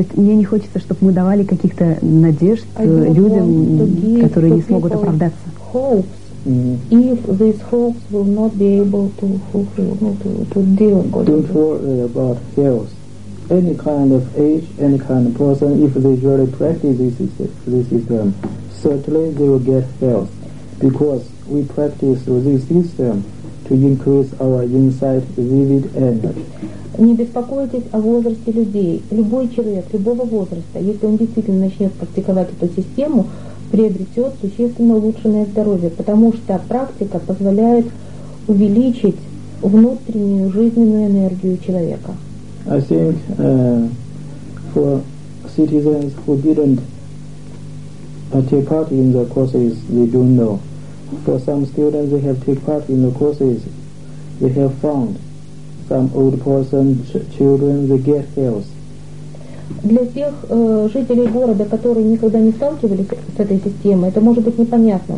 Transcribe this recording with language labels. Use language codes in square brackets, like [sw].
[ru] То есть мне не хочется, чтобы мы давали каких-то надежд людям, которые не смогут оправдаться. [en] Hopes, if these hopes will not be able to fulfill, to deal with. Don't worry about health. Any kind of age, any kind of person, if they really practice this system, certainly they will get health. Because we practice this system to increase our insight, vivid energy. [ru] Не беспокойтесь о возрасте людей. Любой человек, любого возраста, если он действительно начнет практиковать эту систему, приобретет существенно улучшенное здоровье, потому что практика позволяет увеличить внутреннюю жизненную энергию человека. [en] I think for citizens who didn't take part in the courses, they don't know. For some students, they have taken part in the courses, they have found some old person, children, they get health. [ru] Для тех жителей города, которые никогда не сталкивались с этой системой, это может быть непонятно.